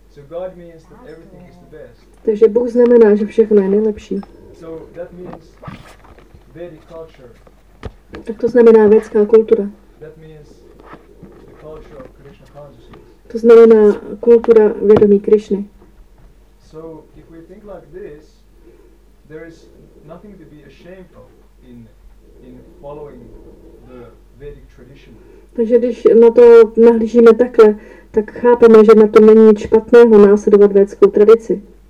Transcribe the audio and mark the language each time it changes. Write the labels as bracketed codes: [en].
[en] So God means that everything is the best. [cs] Takže Bůh znamená, že všechno je nejlepší. [en] So that means Vedic culture. [cs] Tak to znamená védská kultura. [en] That means the culture of Krishna consciousness. [cs] To znamená kultura vědomí Krišny. [en] So if we think like this, there is nothing to be ashamed of in following the Vedic tradition. [cs] Takže když na to nahlížíme takhle, tak chápeme, že na to není nic špatného následovat védskou tradici.